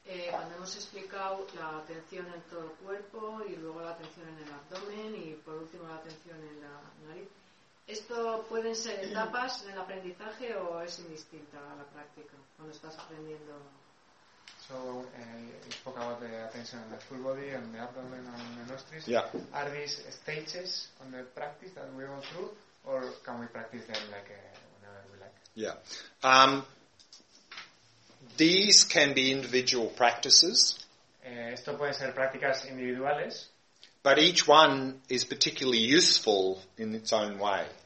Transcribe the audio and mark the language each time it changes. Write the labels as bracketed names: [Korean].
[Spanish] Cuando hemos explicado la atención en todo el cuerpo y luego la atención en el abdomen y por último la atención en la nariz, ¿esto pueden ser etapas en el aprendizaje o es indistinta a la práctica cuando estás aprendiendo? [English] So, you spoke about the attention on the full body, on the abdomen, on the nostrils. Yeah. Are these stages on the practice that we go through, or can we practice them like whenever we like? Yeah. These can be individual practices. [Spanish] Esto pueden ser prácticas individuales. [English] But each one is particularly useful in its own way.